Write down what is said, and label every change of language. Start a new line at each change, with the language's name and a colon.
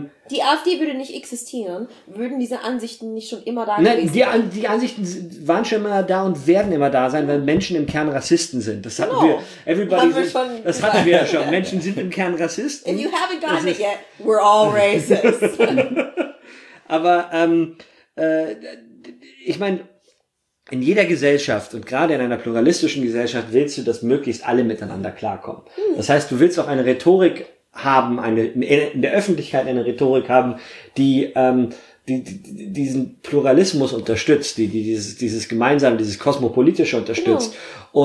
German: Die AfD würde nicht existieren, würden diese Ansichten nicht schon immer da gewesen sein. Die Ansichten waren schon immer da und werden immer da sein, weil Menschen im Kern Rassisten sind. Das hatten wir. Das hatten wir ja schon. Menschen sind im Kern Rassisten.
English: If you haven't gotten it yet, we're all racist.
German: Aber ich meine, in jeder Gesellschaft und gerade in einer pluralistischen Gesellschaft willst du, dass möglichst alle miteinander klarkommen. Das heißt, du willst auch eine Rhetorik haben, eine in der Öffentlichkeit eine Rhetorik haben, die diesen Pluralismus unterstützt, die dieses Gemeinsame, dieses Kosmopolitische unterstützt. Genau.